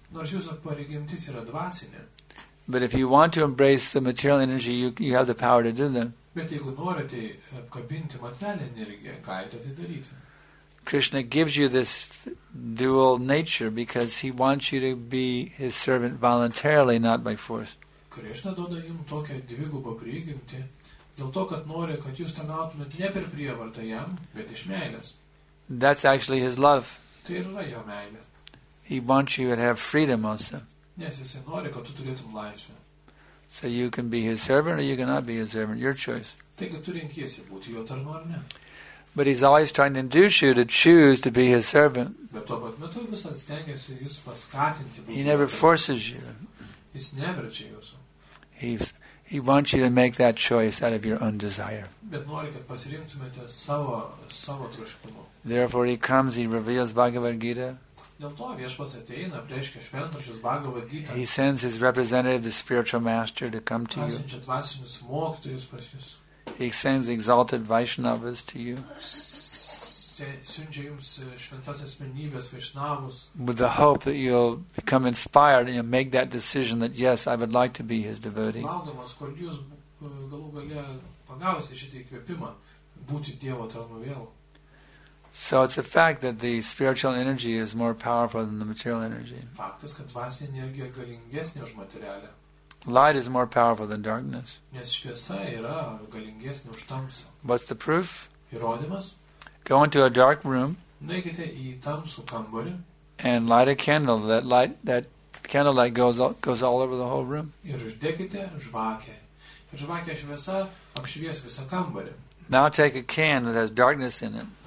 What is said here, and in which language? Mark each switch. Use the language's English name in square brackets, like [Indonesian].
[English] But if you want to embrace the material energy, you have the power to do that. Krishna gives you this dual nature because he wants you to be his servant voluntarily, not by force. [Lithuanian] Krishna duoda jum tokią dvigubą prigimtį dėl to, kad nori, kad jūs tarnautumėt ne per prievartą jam, bet iš meilės. [English] That's actually his love. [Lithuanian] Tai yra jo meilė. [English] He wants you to have freedom also. [Lithuanian] Nes jis nori, kad tu turėtum laisvę. [English] So you can be his servant or you cannot be his servant. Your choice. [Lithuanian] Taigi tu renkiesi būti jo tarnu ar ne. [English] But he's always trying to induce you to choose to be his servant. [Lithuanian] Bet tuo pat metu visad stengiasi jūs paskatinti būti. [English] He never forces you. [Lithuanian] Jis neverčia jūsų. [English] He wants you to make that choice out of your own desire. [Lithuanian] Bet nori, kad pasirinktumėte savo troškumu. [English] Therefore he comes, he reveals Bhagavad Gita. [Lithuanian] Dėl to viešpas ateina, reiškia šventrašius Bhagavad Gita. [English] He sends his representative, the spiritual master, to come to you. [Lithuanian] Pasiunčia dvasinius mokytojus pas jus. [English] He sends exalted Vaishnavas to you. [Lithuanian] Siunčia jums šventas asmenybės Vaishnavus. [English] With the hope that you'll become inspired and you'll make that decision that yes, I would like to be his devotee. [Lithuanian] Laukdamas, kol jūs galų gale pagausite šitą įkvėpimą būti Dievo tarnu vėl. [English] So it's a fact that the spiritual energy is more powerful than the material energy. [Lithuanian] Faktas, kad dvasinė energija galingesnė už materialę. [English] Light is more powerful than darkness. [Lithuanian] Nes šviesa yra galingesnė už tamsą. [English] What's the proof? [Lithuanian] Įrodymas. [English] Go into a dark room. [Lithuanian] Nueikite į tamsų kambarį. [English] And light a candle. That candlelight goes all over the whole room. [Lithuanian] Ir uždegite žvakę. Ir žvakė šviesa apšvies visą kambarį. [English] Now take a can that has darkness in it.